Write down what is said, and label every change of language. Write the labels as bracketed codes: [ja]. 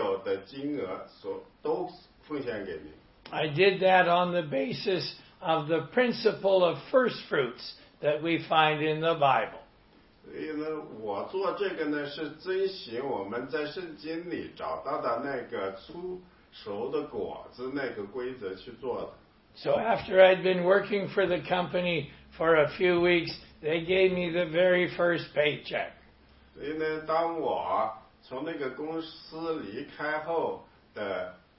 [zh] 所以呢，我就跟主说，主啊，我非常感激您给我这个新的工作，所以我要把我的第一张支票，支票上所有的金额，所都奉献给您。 [en] I did that on the basis of the principle of first fruits that we find in the Bible. [zh] 所以呢，我做这个呢，是遵循我们在圣经里找到的那个初熟的果子那个规则去做的。 [en] So after I'd been working for the company for a few weeks, they gave me the very first paycheck. [zh] 所以呢，当我从那个公司离开后的。